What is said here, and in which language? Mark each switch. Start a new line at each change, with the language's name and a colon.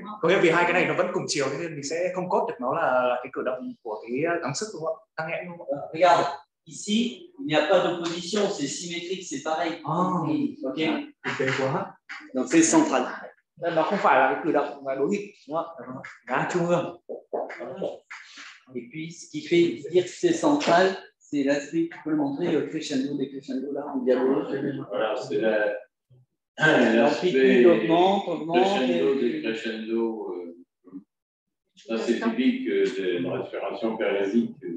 Vietnamese: Có nghĩa vì hai cái này nó vẫn cùng chiều nên mình sẽ không cốt được nó là cái cử động của cái gắng sức đúng không ạ? Tăng nghẽn đúng không ạ?
French: Regarde, ici, il n'y a pas d'opposition, c'est symétrique, c'est pareil. Ok. Donc c'est central.
Vietnamese: Nó không phải là cái cử động mà đối nghịch đúng không ạ? Gắng trung ương.
French: Et puis, ce qui fait dire que c'est central, c'est l'aspect que vous pouvez montrer au crescendo, des crescendo là, en diabolo. Voilà, c'est l'aspect crescendo, des crescendo. Ça, c'est typique de la respiration périsique.